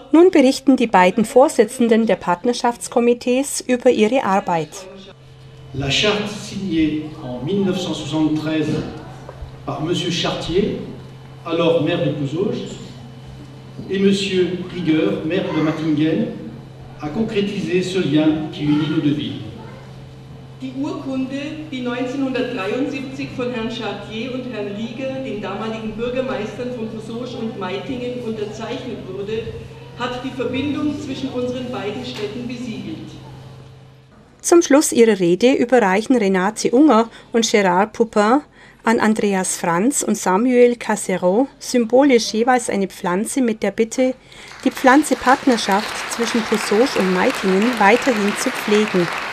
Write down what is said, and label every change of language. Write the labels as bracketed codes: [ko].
[de] Berichten die beiden Vorsitzenden der Partnerschaftskomitees über ihre Arbeit. [fr] La charte signée en 1973 par Monsieur Chartier, alors maire de Pouzauges, et Monsieur Rigueur, maire de Mattingen, a concrétisé ce lien qui unit nos deux villes. [de] Die Urkunde, die 1973 von Herrn Chartier und Herrn Rieger, den damaligen Bürgermeistern von Pouzauges und Meitingen, unterzeichnet wurde, hat die Verbindung zwischen unseren beiden Städten besiegelt. Zum Schluss ihrer Rede überreichen Renate Unger und Gérard Poupin an Andreas Franz und Samuel Cassero symbolisch jeweils eine Pflanze mit der Bitte, die Pflanze Partnerschaft zwischen Pusoge und Meitingen weiterhin zu pflegen.